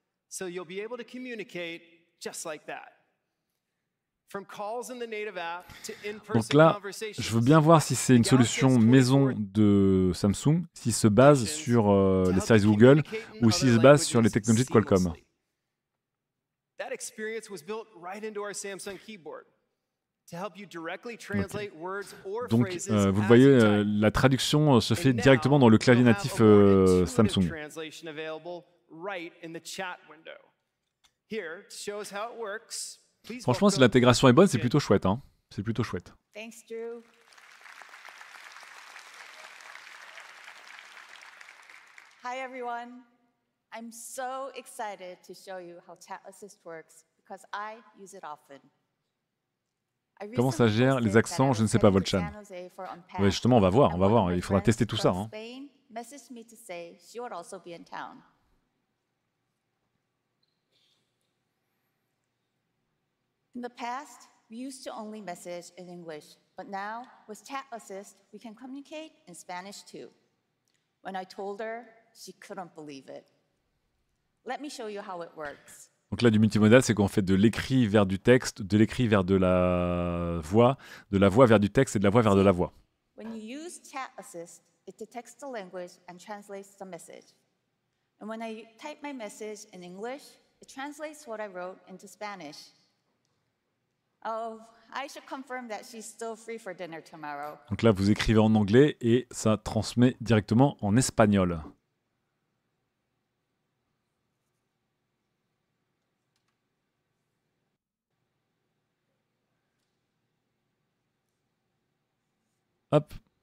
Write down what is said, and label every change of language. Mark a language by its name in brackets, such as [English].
[English] So you'll be able to communicate just like that. From calls in the native app to in-person. [French] Donc là, je veux bien voir si c'est une solution maison de Samsung, s'il se base sur les services Google ou s'il se base sur les technologies de Qualcomm. [English] That experience was built right into our Samsung keyboard to help you directly translate words or phrases. [French] Donc vous voyez, la traduction se fait directement dans le clavier natif Samsung. [English] Translation available right in the chat window. Here shows how it works. [French] Franchement, si l'intégration est bonne, c'est plutôt chouette. C'est plutôt chouette. [English] Thanks, Drew. Hi, everyone. I'm so excited to show you how Chat Assist works because I use it often. [French] Comment ça gère les accents? Je ne sais pas, Volchan. Ouais, justement, on va voir. Il faudra tester tout ça. [English] In the past, we used to only message in English, but now with Chat Assist, we can communicate in Spanish too. When I told her, she couldn't believe it. Let me show you how it works. [French] Donc là, du multimodal, c'est qu'on fait de l'écrit vers du texte, de l'écrit vers de la voix vers du texte et de la voix vers de la voix. [English] When you use Chat Assist, it detects the language and translates the message. And when I type my message in English, it translates what I wrote into Spanish. Oh, I should confirm that she's still free for dinner tomorrow. [French] Donc là, vous écrivez en anglais et ça transmet directement en espagnol. Hop.